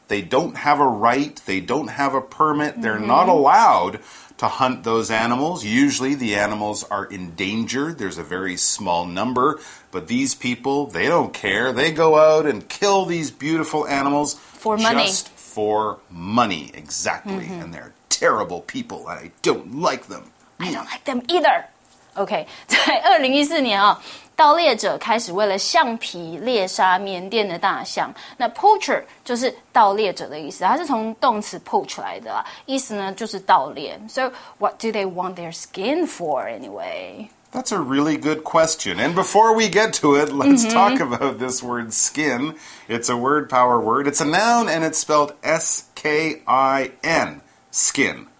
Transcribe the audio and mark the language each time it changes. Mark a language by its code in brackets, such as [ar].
[en] They don't have a right, they don't have a permit, they're not allowed to hunt those animals. Usually the animals are in danger, there's a very small number,But these people, they don't care. They go out and kill these beautiful animals. For money. Just for money, exactly.、Mm-hmm. And they're terrible people. I don't like them. I don't like them either. [zh] Okay, 在2014年、哦、盗猎者开始为了橡皮猎杀缅甸的大象。那 poacher 就是盗猎者的意思。它是从动词 poach 来的啦。意思呢就是盗猎。 [en] So what do they want their skin for anyway? That's a really good question. And before we get to it, let's talk about this word skin. It's a word power word. It's a noun and it's spelled S-K-I-N, skin.